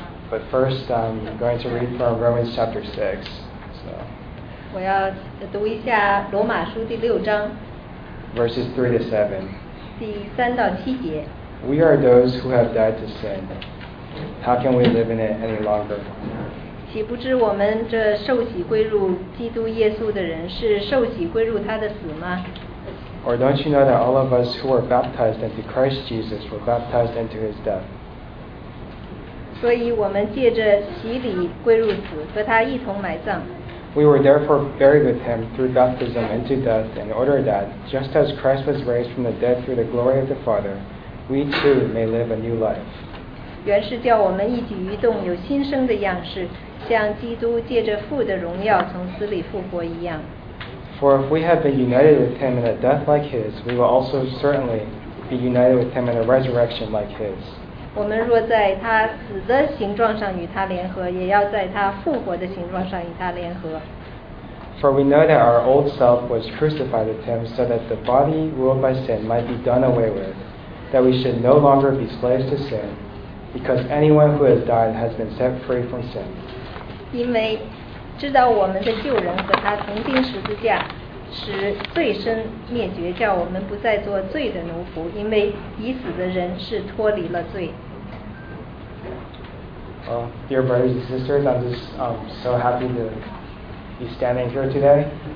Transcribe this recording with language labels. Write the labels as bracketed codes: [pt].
[en] But first, I'm going to read from Romans chapter 6. So, [zh] 我要读一下罗马书第六章。 [en] Verses 3-7. [zh] 第三到七节。 [en] We are those who have died to sin. How can we live in it any longer? [zh] 岂不知我们这受洗归入基督耶稣的人是受洗归入他的死吗？ [en] Or don't you know that all of us who were baptized into Christ Jesus were baptized into his death? [zh] 所以我们借着洗礼归入死，和他一同埋葬。 [en] We were therefore buried with him through baptism into death in order that, just as Christ was raised from the dead through the glory of the Father, we too may live a new life. [zh] 原是叫我们一举一动有新生的样式，像基督借着父的荣耀从死里复活一样。 [en] For if we have been united with him in a death like his, we will also certainly be united with him in a resurrection like his. [zh] 我们若在他死的形状上与他联合，也要在他复活的形状上与他联合。 [en] For we know that our old self was crucified with him so that the body ruled by sin might be done away with, that we should no longer be slaves to sin, because anyone who has died has been set free from sin. [zh] 因为知道我们的旧人和他同钉十字架，使罪身灭绝，叫我们不再做罪的奴仆，因为已死的人是脱离了罪。 [en] Well, dear brothers and sisters, I'm just so happy to be standing here today.